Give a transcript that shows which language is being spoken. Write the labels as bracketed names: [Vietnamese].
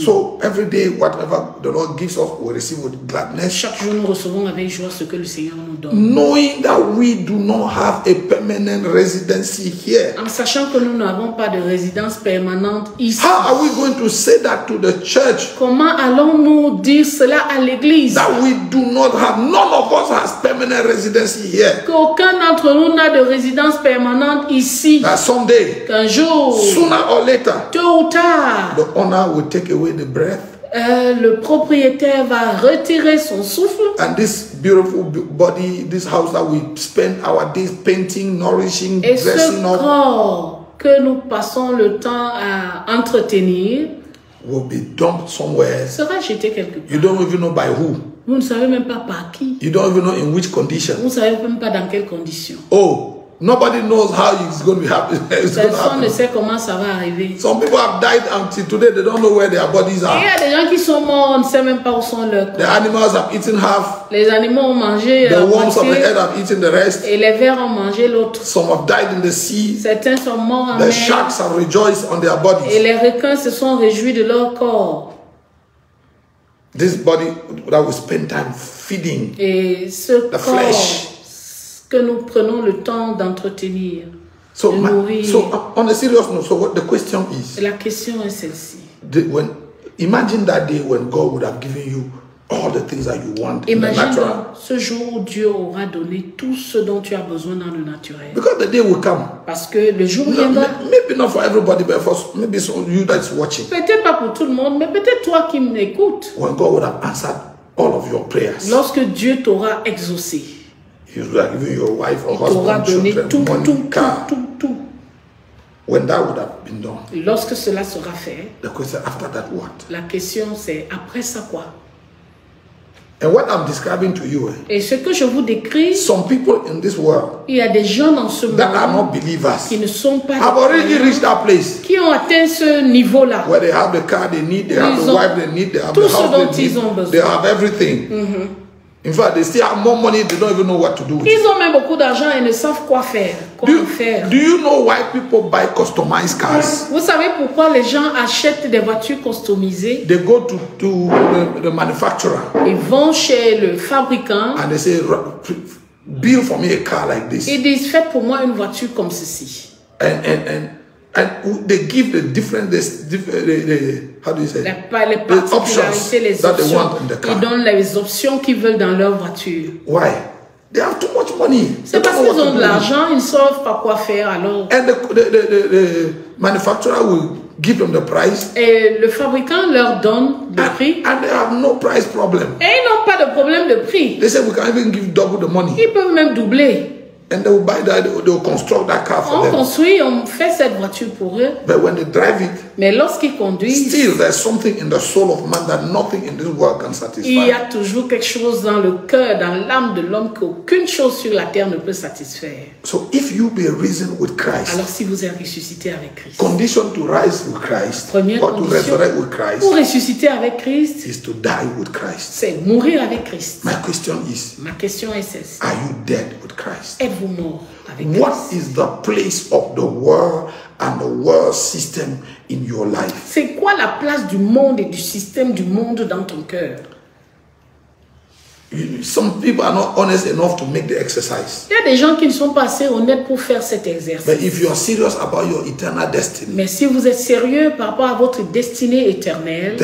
[English] So every day, whatever the Lord gives us, we receive with gladness. [French] Chaque jour nous recevons avec joie ce que le Seigneur nous donne. [English] Knowing that we do not have a permanent residency here. [French] En sachant que nous n'avons pas de résidence permanente ici. [English] How are we going to say that to the church? [French] Comment allons-nous dire cela à l'église? [English] That we do not have. None of us has permanent residency here. [French] Qu'aucun d'entre nous n'a de résidence permanente ici. [English] That someday. [French] Qu'un jour. [English] Sooner or later, [French] tôt ou tard, [English] the owner will take away the breath. [French] Le propriétaire va retirer son souffle. [English] And this beautiful body, this house that we spend our days painting, nourishing, [French] et [English] dressing [French] ce corps que nous passons le temps à entretenir, [English] will be dumped somewhere. [French] Sera jeté quelque part. [English] You don't even know by who. [French] Vous ne savez même pas par qui. [English] You don't even know in which condition. [French] Vous ne savez même pas dans quelle condition. Oh. [English] Nobody knows how it's going to happen. [French] Personne ne sait comment ça va arriver. [English] Some people have died until today. They don't know where their bodies are. [French] Il y a des gens qui sont morts, on ne sait même pas où sont leurs corps. [English] The animals have eaten half. [French] Les animaux ont mangé [English] the worms of the earth have eaten the rest. [French] Et les vers ont mangé l'autre. [English] Some have died in the sea. [French] Certains sont morts en [English] the [French] mer. [English] The sharks have rejoiced on their bodies. [French] Et les requins se sont réjouis de leur corps. [English] This body that we spend time feeding. [French] Et ce [English] the [French] corps. [English] Flesh. [French] Que nous prenons le temps d'entretenir, [English] so [French] de nourrir. [English] So on a serious note. So what the question is? [French] La question est celle-ci. [English] Imagine that day when God would have given you all the things that you want imagine in the natural. [French] Imagine ce jour où Dieu aura donné tout ce dont tu as besoin dans le naturel. [English] Because the day will come. [French] Parce que le jour viendra. [English] Maybe Maybe not for everybody, but for maybe some of you that's watching. [French] Peut-être pas pour tout le monde, mais peut-être toi qui m'écoutes. [English] When God would have answered all of your prayers. [French] Lorsque Dieu t'aura exaucé. [English] He would have given your wife or husband, [French] t'aura donné tout, [English] money, [French] tout, [English] car, [French] tout, tout. [English] When that would have been done. [French] Lorsque cela sera fait. [English] The question after that what? [French] La question c'est après ça quoi? [English] And what I'm describing to you, [French] et ce que je vous décris, [English] some people in this world, [French] il y a des gens dans ce monde [English] that are not believers, [French] qui ne sont pas croyants, qui ont atteint ce niveau-là. [English] Where they have the car they need, they have the wife they need, they have [French] tout [English] the house [French] ce dont [English] they [French] ils [English] need, [French] ont besoin. [English] They have everything. Mm-hmm. In fact, they still have more money, they don't even know what to do with [French] it. Ils ont même beaucoup d'argent et ne savent quoi faire, [English] Do you know why people buy customized cars? [French] Vous savez pourquoi les gens achètent des voitures customisées? [English] They go to the manufacturer. [French] Ils vont chez le fabricant. [English] And they say, build for me a car like this. [French] Ils disent, faites pour moi une voiture comme ceci. [English] And they give the different the how do you say? [French] Les particularités, les options [English] that they want in the car. [French] Ils donnent les options qu'ils veulent dans leur voiture. [English] Why? They have too much money. [French] C'est parce qu'ils ont de l'argent, ils ne savent pas quoi faire alors. [English] And the manufacturer will give them the price. [French] Et le fabricant leur donne le prix. [English] And they have no price problem. [French] Et ils n'ont pas de problème de prix. [English] They say we can even give double the money. Ils peuvent même doubler. And they will buy that. They will construct that car for [French] on [English] them. [French] On construit, on fait cette voiture pour eux. [English] But when they drive it, [French] mais lorsqu'ils conduisent, [English] still there's something in the soul of man that nothing in this world can satisfy. [French] Il y a toujours quelque chose dans le cœur, dans l'âme de l'homme qu'aucune chose sur la terre ne peut satisfaire. [English] So if you be risen with Christ, [French] alors si vous êtes ressuscité avec Christ, [English] condition to rise with Christ, [French] première condition, [English] to resurrect with Christ, [French] pour ressusciter avec Christ, [English] is to die with Christ. [French] C'est mourir avec Christ. [English] My question is, [French] ma question est celle-ci. [English] Are you dead with Christ? [French] Avec [English] what [French] Christ. [English] Is the place of the world and the world system in your life? [French] C'est quoi la place du monde et du système du monde dans ton cœur? [English] Some people are not honest enough to make the exercise. [French] Il y a des gens qui ne sont pas assez honnêtes pour faire cet exercice. [English] But if you are serious about your eternal destiny, [French] mais si vous êtes sérieux par rapport à votre destinée éternelle,